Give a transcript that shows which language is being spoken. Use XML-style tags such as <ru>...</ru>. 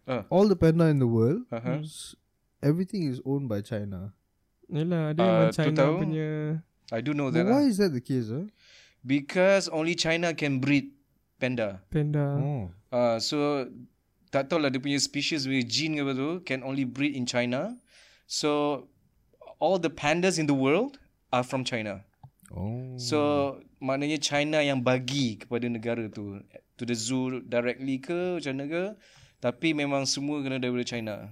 <en>All the panda in the world, everything is owned by China.</en> <ms>Yelah, ada yang China punya.</ms> <en>I do know but that. Why is that the case? Eh? Because only China can breed panda. Panda. Oh.</en> <ms>So tak tahu lah dia punya species punya gene ke apa tu,</ms> <en>can only breed in China. So all the pandas in the world are from China. Oh.</en> <ms>So maknanya China yang bagi kepada negara tu,</ms> <en>to the zoo directly</en> <ms>ke macam mana ke, tapi memang semua kena daripada China.</ms>